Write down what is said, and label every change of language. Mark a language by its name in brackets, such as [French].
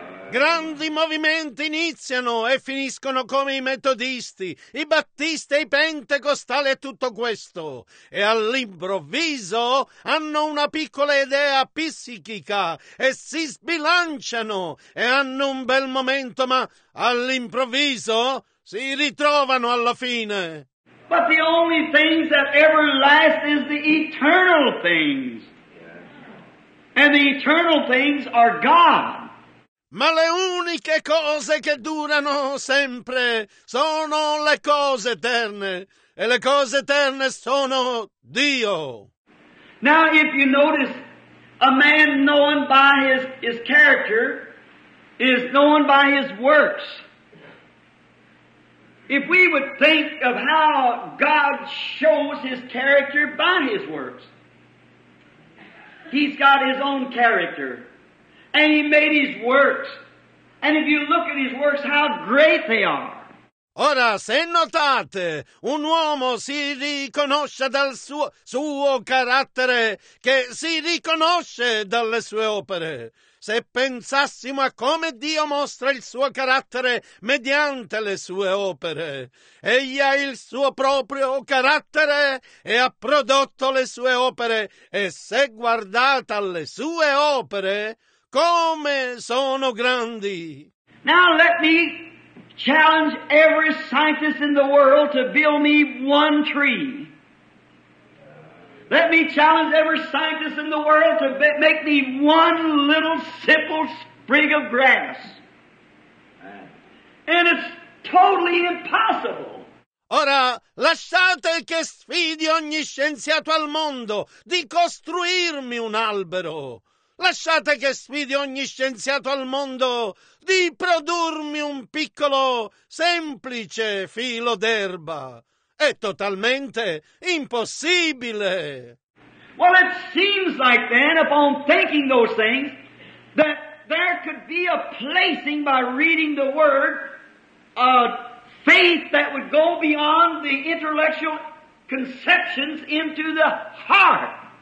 [Italian] Grandi movimenti iniziano e finiscono come i metodisti, i battisti, i pentecostali e tutto questo. E all'improvviso hanno una piccola idea psichica e si sbilanciano e hanno un bel momento, ma all'improvviso si ritrovano alla fine. [English] But the only things that ever last is the eternal things. And the eternal things are God. [Italian] Ma le uniche cose che durano sempre sono le cose eterne, e le cose eterne sono Dio. [English] Now if you notice, a man known by his character is known by his works. If we would think of how God shows his character by his works. He's got his own character. And he made his works. And if you look at his works, how great they are. [Italian] Ora, se notate, un uomo si riconosce dal suo carattere, che si riconosce dalle sue opere. Se pensassimo a come Dio mostra il suo carattere mediante le sue opere, egli ha il suo proprio carattere e ha prodotto le sue opere, e se guardate alle sue opere, come sono grandi! [English] Now let me challenge every scientist in the world to build me one tree. Let me challenge every scientist in the world to make me one little simple sprig of grass. And it's totally impossible. [Italian] Ora, lasciate che sfidi ogni scienziato al mondo di costruirmi un albero. Lasciate che sfidi ogni scienziato al mondo di produrmi un piccolo, semplice filo d'erba. È totalmente impossibile. [English] Well, it seems like then, upon thinking those things, that there could be a placing by reading the Word, a faith that would go beyond the intellectual conceptions into the heart.